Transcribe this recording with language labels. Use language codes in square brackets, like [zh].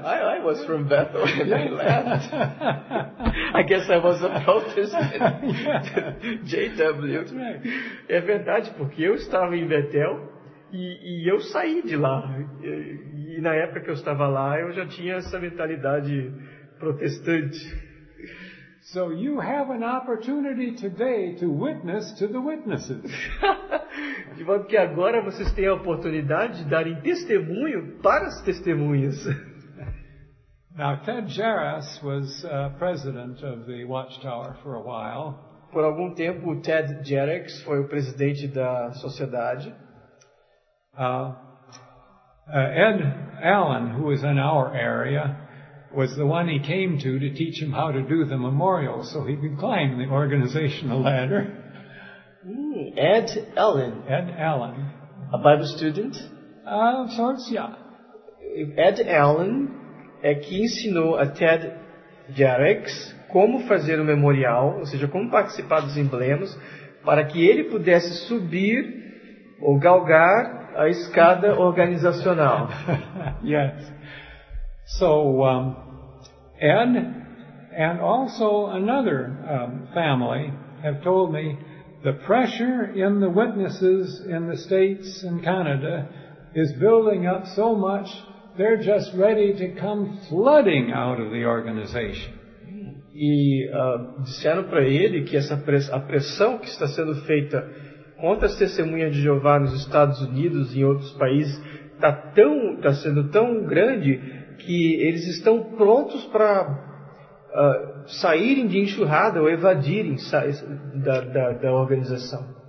[en] I was from Bethel and I left. I guess I was a Protestant. JW. That's right. [pt] É verdade, porque eu estava em Bethel e eu saí de lá. E na época que eu estava lá, eu já tinha essa mentalidade protestante. [en] So you have an opportunity today to witness to the witnesses. [pt] De modo que agora vocês têm a oportunidade de darem testemunho para as testemunhas. [en] Now Ted Jarrus was president of the Watchtower for a while. [pt] Por algum tempo o Ted Jarrus foi o presidente da sociedade. [en] Ed Allen, who was in our area, was the one he came to teach him how to do the memorial so he could climb the organizational ladder. Ed Allen. Ed Allen. A Bible student? Of sorts, yeah. [pt] Ed Allen é que ensinou a Ted Jarrus como fazer o memorial, ou seja, como participar dos emblemas, para que ele pudesse subir ou galgar a escada organizacional. [en] Yes. So, Ed and also another family have told me the pressure in the witnesses in the States and Canada is building up so much they're just ready to come flooding out of the organization. [pt] E disseram para ele que essa a pressão que está sendo feita contra as testemunhas de Jeová nos Estados Unidos e em outros países está sendo tão grande que eles estão prontos para saírem de enxurrada ou evadirem da organização.